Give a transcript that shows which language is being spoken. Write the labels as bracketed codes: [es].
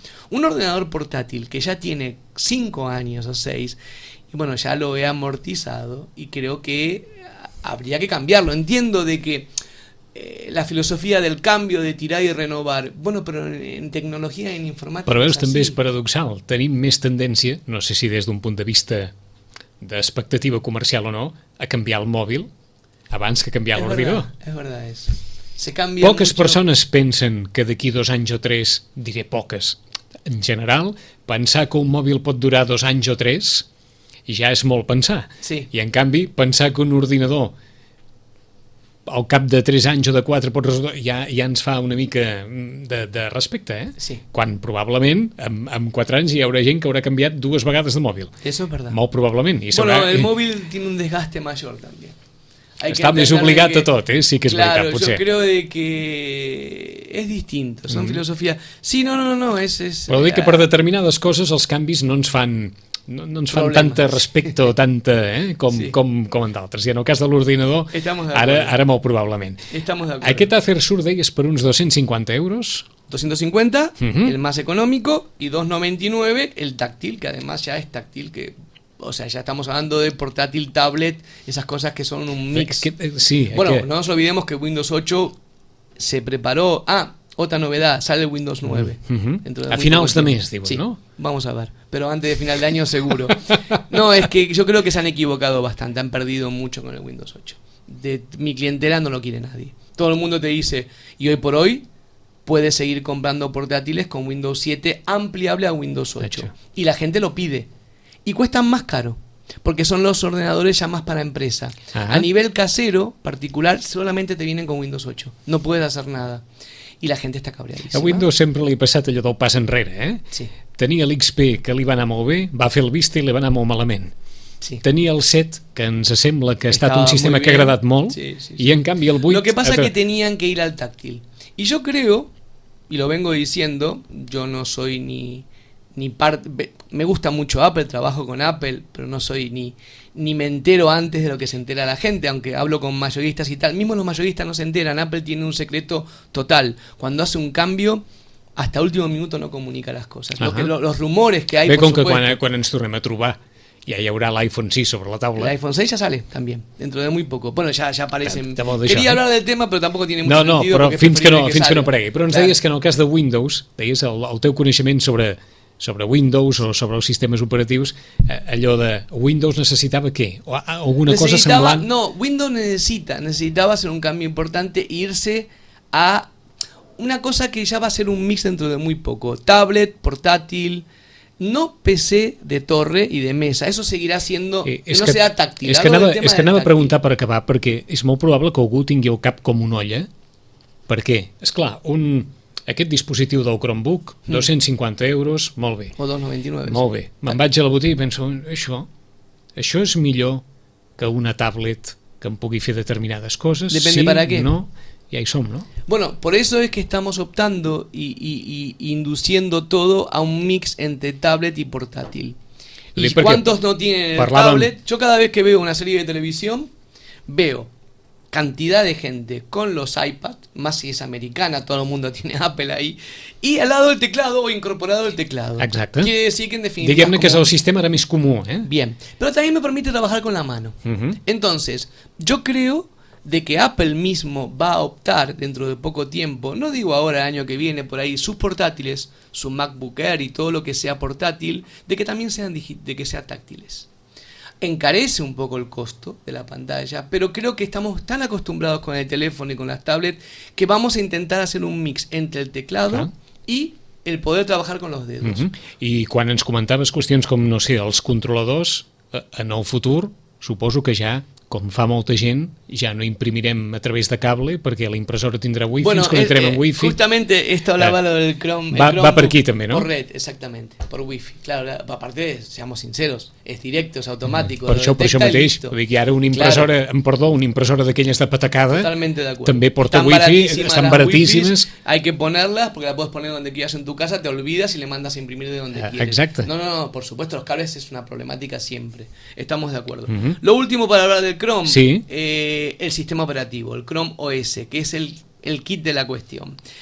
[es] Un ordenador portátil que ya tiene 5 años o 6, y bueno, ya lo he amortizado, y creo que habría que cambiarlo. Entiendo de que la filosofía del cambio, de tirar y renovar, bueno, pero en tecnología, en informática... [ca] Però veus, també és paradoxal. Tenim més tendència, no sé si des d'un punt de vista... d'expectativa comercial o no, a canviar el mòbil abans que canviar l'ordinador. És veritat, és. Se canvia poques mucho. Persones pensen que d'aquí 2 anys o 3, diré poques, en general, pensar que un mòbil pot durar 2 anys o 3 ja és molt pensar. Sí. I en canvi, pensar que un ordinador al cap de 3 anys o de 4 pot resoldre, ja ens fa una mica de respecte, eh? Sí. Quan probablement amb 4 anys hi haurà gent que haurà canviat 2 vegades de mòbil. [es] Eso es verdad. [ca] Molt probablement. I bueno, el mòbil [es] tiene un desgaste mayor también. [ca] Hay Està més obligat que... a tot, eh? Sí que és [es] claro, [ca] veritat, potser. [es] Claro, yo creo de que es distinto, son filosofía... Sí, no, es... [ca] Però dic que per determinades coses els canvis no ens fan... No ens fan tanta respecte o tanta, com en d'altres. I en el cas de l'ordinador, ara molt probablement. Aquest Acer Surdei és per uns 250 euros. [es] 250, el más económico, y 299, el táctil, que además ya es táctil, que... O sea, ya estamos hablando de portátil, tablet, esas cosas que son un mix. Sí, bueno, no nos olvidemos que Windows 8 se preparó... Ah, otra novedad, sale Windows 9. [ca] A finals de mes, [es] digo, sí, ¿no? Vamos a ver. Pero antes de final de año, seguro. No, es que yo creo que se han equivocado bastante, han perdido mucho con el Windows 8. De mi clientela no lo quiere nadie. Todo el mundo te dice, y hoy por hoy, puedes seguir comprando portátiles con Windows 7 ampliable a Windows 8. Y la gente lo pide. Y cuestan más caro, porque son los ordenadores ya más para empresa. Ajá. A nivel casero, particular, solamente te vienen con Windows 8. No puedes hacer nada. [ca] I la gent està cabreadíssima. A Windows sempre li ha passat allò del pas enrere, eh? Sí. Tenia l'XP, que li va anar molt bé, va fer el Vista i li va anar molt malament. Sí. Tenia el 7, que ens sembla que ha estat un sistema que ha agradat molt, sí. I en canvi el 8... [es] Lo que pasa que tenían que ir al táctil. Y yo creo, y lo vengo diciendo, yo no soy ni parte... Me gusta mucho Apple, trabajo con Apple, pero no soy ni me entero antes de lo que se entera la gente, aunque hablo con mayoristas y tal. Mismo los mayoristas no se enteran, Apple tiene un secreto total. Cuando hace un cambio, hasta último minuto no comunica las cosas. Lo que, los rumores que hay, ve por supuesto... [ca] Ve [es] con que cuando [ca] nos tornem a trobar, ya hi haurà l'iPhone 6 sobre la taula. [es] El iPhone 6 ya sale también, dentro de muy poco. Bueno, ya aparecen... Quería hablar del tema, pero tampoco tiene mucho sentido. [ca] No, però fins que no aparegui. Però ens deies que en el cas de Windows, deies el teu coneixement sobre... sobre Windows o sobre els sistemes operatius, allò de Windows necessitava què? O alguna cosa semblant? No, Windows necessitava ser un canvi important i irse a una cosa que ja va ser un mix [es] dentro de muy poco. [ca] Tablet, portàtil, no PC de torre i de mesa. [es] Eso seguirà siendo, que no sea táctil. [ca] És que anava a preguntar per acabar, perquè és molt probable que algú tingui el cap com una olla. Per què? Esclar, un... Aquest dispositiu del Chromebook, 250 euros, molt bé. O 299. Molt bé. Me'n vaig a la botiga i penso, això és millor que una tablet que em pugui fer determinades coses? Depèn sí, [es] de para qué. [ca] No, i ahí som, no? [es] Bueno, por eso es que estamos optando y induciendo todo a un mix entre tablet y portátil. ¿Y cuántos no tienen tablet? Yo cada vez que veo una serie de televisión, veo... cantidad de gente con los iPads, más si es americana, todo el mundo tiene Apple ahí, y al lado del teclado o incorporado el teclado. Exacto. Quiere decir que en definitiva... [ca] Diguem-ne que es el sistema ara més comú, ¿eh? [es] Bien. Pero también me permite trabajar con la mano. Entonces, yo creo de que Apple mismo va a optar dentro de poco tiempo, no digo ahora, el año que viene, por ahí, sus portátiles, su MacBook Air y todo lo que sea portátil, de que también sean de que sean táctiles. Encarece un poco el costo de la pantalla, pero creo que estamos tan acostumbrados con el teléfono y con las tablets que vamos a intentar hacer un mix entre el teclado y el poder trabajar con los dedos. [ca] I quan ens comentaves qüestions com, no sé, els controladors, en el futur, suposo que ja com fa molta gent, ja no imprimirem a través de cable perquè la impressora tindrà wifi, bueno, ens connectarem amb wifi. [es] Justamente esto hablaba lo del Chrome. [ca] Va per aquí també, no? [es] Por red, exactamente, por wifi. Claro, aparte, seamos sinceros, es directo, es automático. [ca] Per això mateix, vull dir que ara una impressora, claro. Una impressora d'aquelles de patacada també porta [es] están [ca] wifi, estan baratíssimes. [es] Wifis, hay que ponerlas porque la puedes poner donde quieras en tu casa, te olvidas y le mandas a imprimir de donde quieres. [ca] Exacte. [es] No, por supuesto, los cables es una problemática siempre. Estamos de acuerdo. Lo último para hablar del Chrome, sí. El sistema operativo, el Chrome OS, que es el kit de la cuestión.